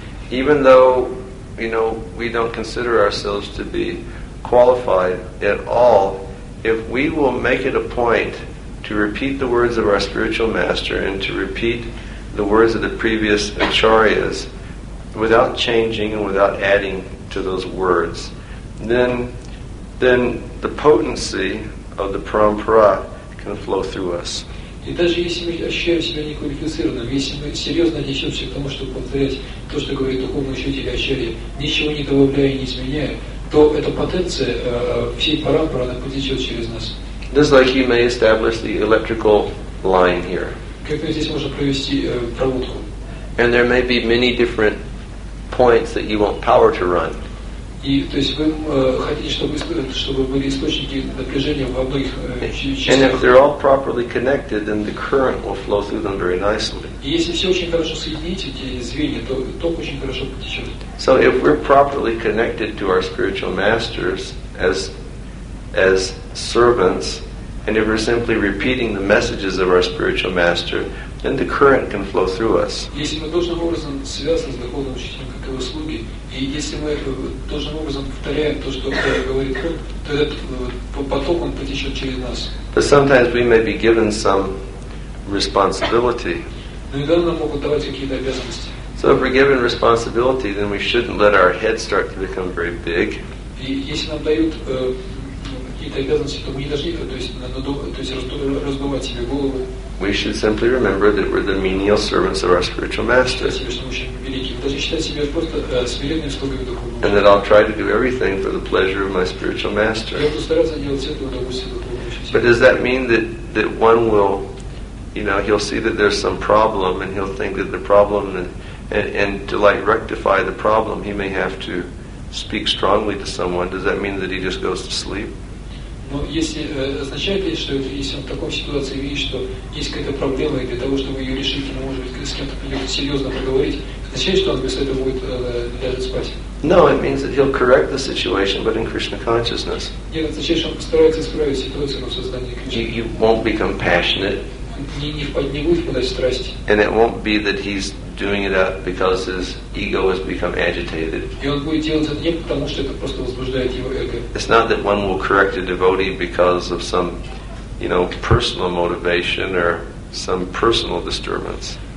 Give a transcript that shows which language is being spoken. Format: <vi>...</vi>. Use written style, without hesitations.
<en>Even though, you know, we don't consider ourselves to be qualified at all, if we will make it a point to repeat the words of our spiritual master and to repeat the words of the previous acharyas without changing and without adding to those words, then then the potency of the parampara can flow through us.</en> <ru>И даже если мы ощущаем себя неквалифицированным, если мы серьезно отнесемся к тому, чтобы повторять то, что говорит духовный учитель Ачарья, ничего не добавляя и не изменяя, то эта потенция всей парампары, она потечет через нас.</ru> <en>Just like you may establish the electrical line here.</en> <ru>Как здесь можно провести проводку?</ru> <en>And there may be many different points that you want power to run.</en> <ru>И то есть вы хотите, чтобы были источники напряжения во многих частях.</ru> <en>And if they're all properly connected, then the current will flow through them very nicely.</en> <ru>И если все очень хорошо соедините эти звенья, то ток очень хорошо потечет.</ru> <en>So if we're properly connected to our spiritual masters as servants, and if we're simply repeating the messages of our spiritual master, then the current can flow through us.</en> <ru>Если мы должным образом связаны с духовным учителем, как его слуги, и если мы должным образом повторяем то, что говорит он, то этот поток он потечет через нас.</ru> <en>But sometimes we may be given some responsibility.</en> <ru>Но иногда нам могут давать какие-то обязанности.</ru> <en>So if we're given responsibility, then we shouldn't let our head start to become very big.</en> <ru>И если нам дают какие-то обязанности, то мы не должны, то есть раздувать себе голову.</ru> <en>We should simply remember that we're the menial servants of our spiritual master. And that I'll try to do everything for the pleasure of my spiritual master. But does that mean that one will, you know, he'll see that there's some problem and he'll think that the problem and to like rectify the problem he may have to speak strongly to someone. Does that mean that he just goes to sleep?</en> <ru>Но если означает ли, что если он в такой ситуации видит, что есть какая-то проблема, и для того, чтобы ее решить, ему, может быть, с кем-то придется серьезно поговорить, означает, что он без этого будет даже спать?</ru> <en>No, it means that he'll correct the situation, but in Krishna consciousness.</en> <ru>Нет, означает, что он постарается исправить ситуацию, но в сознании Кришны.</ru> <en>He won't become passionate.</en> <ru>Не будет впадать в страсти.</ru> <en>And it won't be that he's doing it up because his ego has become agitated. It's not that one will correct a devotee because of some, you know, personal motivation or some personal disturbance.</en>